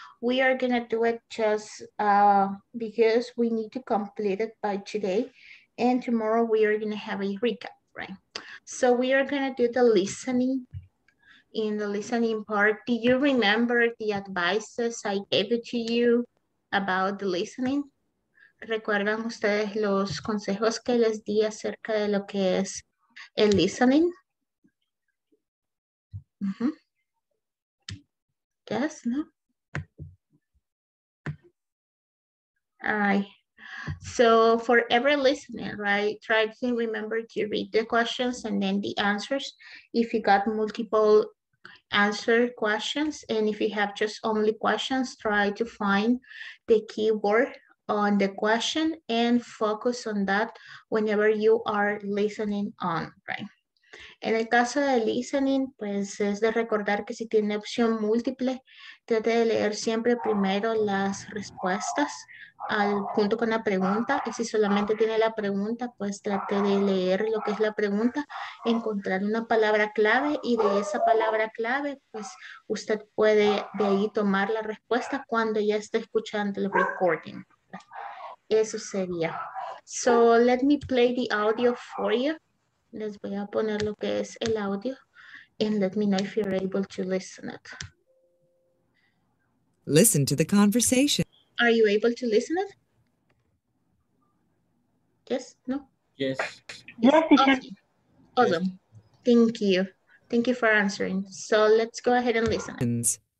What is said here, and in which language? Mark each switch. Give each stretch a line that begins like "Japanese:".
English: We are gonna do it just because we need to complete it by today, and tomorrow we are gonna have a recap, right? So we are gonna do the listening. In the listening part, do you remember the advices I gave it to you about the listening?
Spanish: ¿Recuerdan ustedes los consejos que les di acerca de lo que es el listening?
English: Yes, no? Right. So for every listening, right, try to remember to read the questions and then the answers. If you got multiple answer questions, and if you have just only questions, try to find the keyword on the question and focus on that whenever you are listening on, right?
Spanish: En el caso de listening, pues es de recordar que si tiene opción múltiple, trate de leer siempre primero las respuestas junto con la pregunta. Y si solamente tiene la pregunta, pues trate de leer lo que es la pregunta, encontrar una palabra clave y de esa palabra clave, pues usted puede de ahí tomar la respuesta cuando ya esté escuchando el recording. Eso sería.
English: So let me play the audio for you.
Spanish: Les voy a poner lo que es el audio.
English: And let me know if you're able to listen it. Listen to the conversation. Are you able to listen it? Yes? No? Yes. Yes, teacher. Awesome. Awesome. Thank you. Thank you for answering. So let's go ahead and listen it.